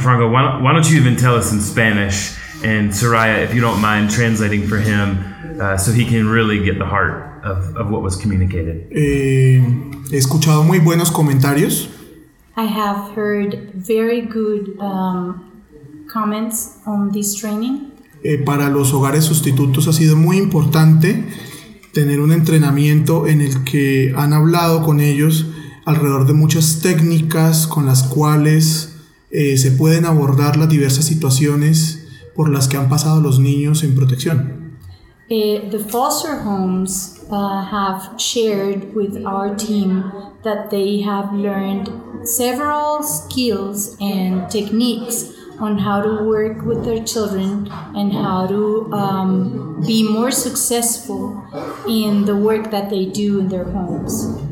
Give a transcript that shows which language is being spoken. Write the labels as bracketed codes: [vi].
[en] Franco, why don't you even tell us in Spanish, and Soraya, if you don't mind, translating for him so he can really get the heart of what was communicated. [es] He escuchado muy buenos comentarios. [en] I have heard very good comments on this training. [es] Para los hogares sustitutos ha sido muy importante tener un entrenamiento en el que han hablado con ellos alrededor de muchas técnicas con las cuales se pueden abordar las diversas situaciones por las que han pasado los niños en protección. [en] The foster homes have shared with our team that they have learned several skills and techniques on how to work with their children and how to be more successful in the work that they do in their homes.